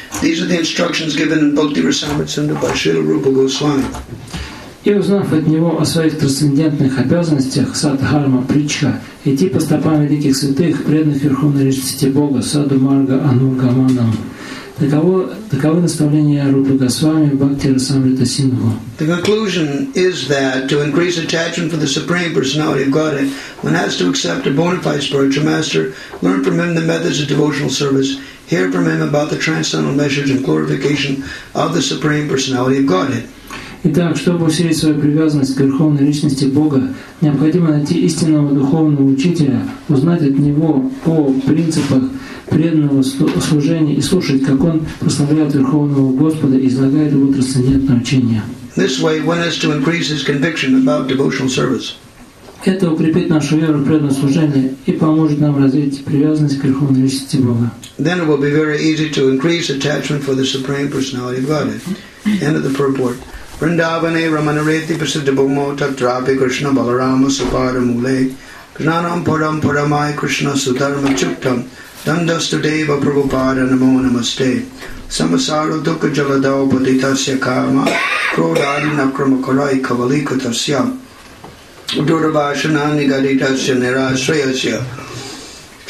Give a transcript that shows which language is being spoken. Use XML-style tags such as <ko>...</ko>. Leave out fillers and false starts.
<en>These are the instructions given in Bhakti Rasamrita Sindhu by Srila Rupa Goswami.</en> <ru>И узнав от него о своих трансцендентных обязанностях, садхарма, притча, идти по стопам великих святых, преданных Верховной Личности Бога,</ru> <sa>саду марга анургаманам.</sa> <ru>Таковы наставления Рупы Госвами, Бхакти Расамрита Сингху.</ru> <en>The conclusion is that to increase attachment for the Supreme Personality of Godhead, one has to accept a bona fide spiritual master, learn from him the methods of devotional service, hear from him about the transcendental measures and glorification of the Supreme Personality of Godhead.</en> <ru>Итак, чтобы усилить свою привязанность к Верховной Личности Бога, необходимо найти истинного духовного учителя, узнать от него о принципах преданного служения и слушать, как он прославляет Верховного Господа и излагает его трансцендентное учение.</ru> <en>This way one has to increase his conviction about devotional service.</en> <ru>Это укрепит нашу веру в преданное служение и поможет нам развить привязанность к Верховной Личности Бога.</ru> <en>Then it will be very easy to increase attachment for the Supreme Personality of Godhead. End of the purport.</en> <sa>Vrindavane Ramanareti Prasiddhabhumo Tatrapi Krishna Balarama Supara Mule Jnanam Param Paramai Krishna Sudharma Chuktam Dandas Tudeva Prabhupada Namo Namaste Samasaro Dukkha Jaladau Bodhitasya Kama Krodhari Nakrama Karai Kavalika Tasya Durabhashana Nigaritasya Nirashrayasya</sa>